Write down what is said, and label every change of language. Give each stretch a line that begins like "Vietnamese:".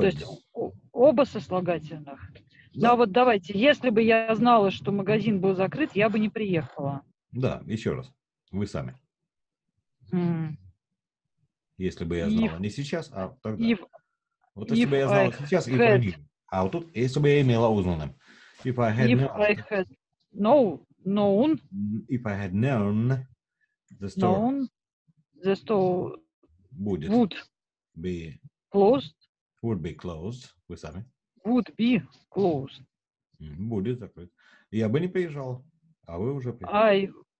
Russian: То есть оба сослагательных. Да. Но вот давайте, если бы я знала, что магазин был закрыт, я бы не приехала. Да, еще раз. Вы сами. Если бы я знала не сейчас, а тогда. Вот если бы я знала сейчас, и про них. А вот тут, если бы я имела узнанным.
English: If I had known. If I had known the store, would be closed.
Russian: Вы сами.
English: Would be closed.
Russian: Будет закрыт. Я бы не приезжал, а вы уже приезжали.